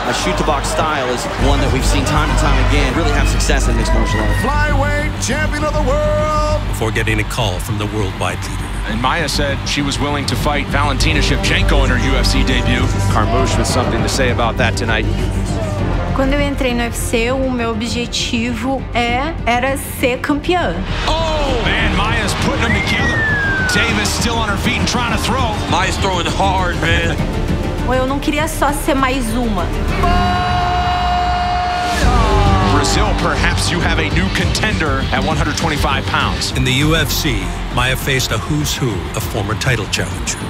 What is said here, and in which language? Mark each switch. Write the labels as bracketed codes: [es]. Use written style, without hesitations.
[en] A Shootbox style is one that we've seen time and time again really have success in mixed martial arts. Flyweight champion of the world! Before getting a call from the worldwide leader. And Maia said she was willing to fight Valentina Shevchenko in her UFC debut. Carmouche with something to say about that tonight. [pt] Quando eu entrei no UFC, o meu objetivo era ser campeã. [en] Oh! Man, Maia's putting them together. Davis still on her feet and trying to throw. Maia's throwing hard, man. [pt] Eu não queria só ser mais uma. [en] Brazil, perhaps you have a new contender at 125 pounds. In the UFC, Maia faced a who's who of former title challenger.